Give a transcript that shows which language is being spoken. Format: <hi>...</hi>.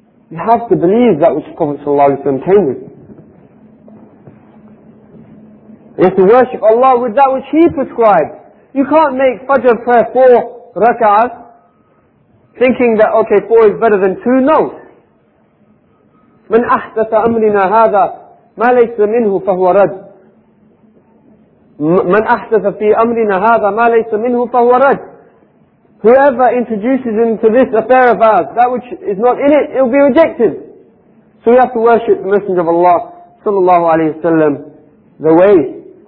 <en>You have to believe that which the Prophet came with. You have to worship Allah with that which He prescribed. You can't make Fajr prayer 4 rak'ahs, thinking that, okay, 4 is better than 2, no.</en> <ar>مَنْ أَحْدَثَ أَمْرِنَا هَذَا مَا لَيْسَ مِنْهُ فَهُوَ رَدْ مَنْ أَحْدَثَ فِي أَمْرِنَا هَذَا مَا لَيْسَ مِنْهُ فَهُوَ رَدْ</ar> <en>Whoever introduces into this affair of ours, that which is not in it, it will be rejected. So we have to worship the Messenger of Allah, sallallahu alayhi wa sallam, the way.</en>